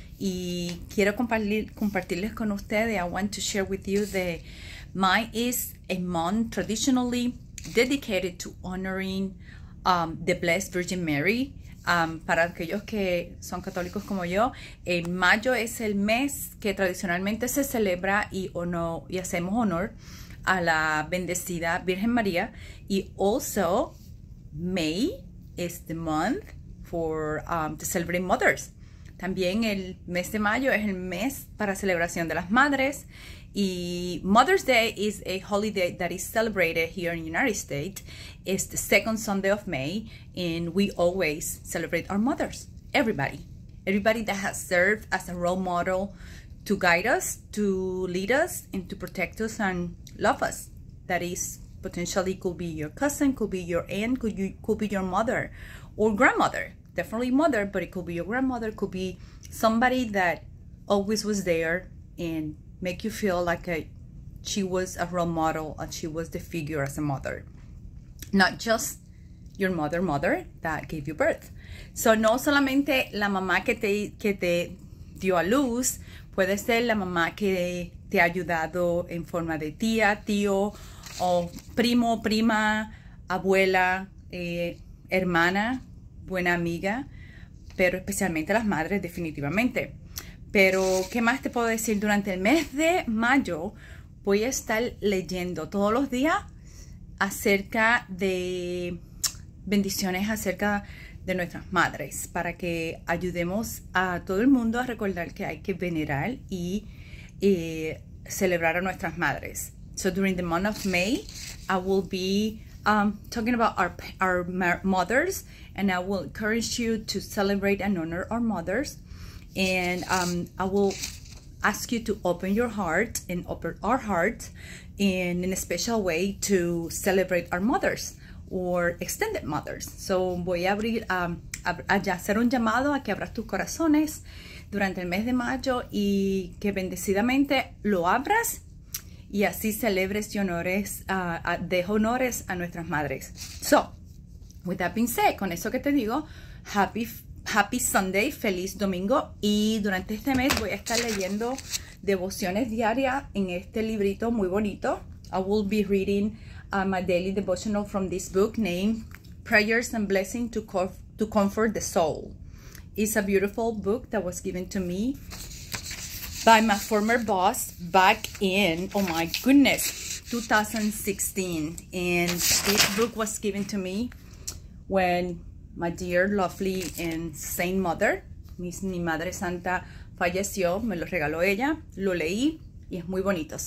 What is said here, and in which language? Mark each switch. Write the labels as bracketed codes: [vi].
[es] Y quiero compartirles con ustedes. [en] I want to share with you that May is a month traditionally dedicated to honoring the Blessed Virgin Mary. [es] Para aquellos que son católicos como yo, en mayo es el mes que tradicionalmente se celebra y hacemos honor a la bendecida Virgen María. [en] Y also, May is the month for to celebrate mothers. [es] También el mes de mayo es el mes para celebración de las madres. [en] Y Mother's Day is a holiday that is celebrated here in the United States. It's the second Sunday of May, and we always celebrate our mothers, everybody. Everybody that has served as a role model to guide us, to lead us, and to protect us and love us. That is, potentially could be your cousin, could be your aunt, could be your mother or grandmother. Definitely mother, but it could be your grandmother, could be somebody that always was there and make you feel like she was a role model and she was the figure as a mother. Not just your mother that gave you birth. [es] So no solamente la mamá que te dio a luz, puede ser la mamá que te ha ayudado en forma de tía, tío, o primo, prima, abuela, hermana, buena amiga, pero especialmente las madres definitivamente. Pero, ¿qué más te puedo decir? Durante el mes de mayo voy a estar leyendo todos los días acerca de bendiciones acerca de nuestras madres para que ayudemos a todo el mundo a recordar que hay que venerar y celebrar a nuestras madres. [en] So, during the month of May, I will be talking about our mothers, and I will encourage you to celebrate and honor our mothers. And I will ask you to open your heart and open our heart in a special way to celebrate our mothers or extended mothers. [es] So voy a abrir, a hacer un llamado a que abras tus corazones durante el mes de mayo y que bendecidamente lo abras y así celebres y honores, de honores a nuestras madres. [en] So, with that being said, [es] con eso que te digo, [en] Happy Sunday, [es] feliz domingo. Y durante este mes voy a estar leyendo devociones diarias en este librito muy bonito. [en] I will be reading my daily devotional from this book named Prayers and Blessings to Comfort the Soul. It's a beautiful book that was given to me by my former boss back in, oh my goodness, 2016. And this book was given to me when my dear, lovely, and saint mother, [es] mi madre santa, falleció, me lo regaló ella, lo leí, y es muy bonito.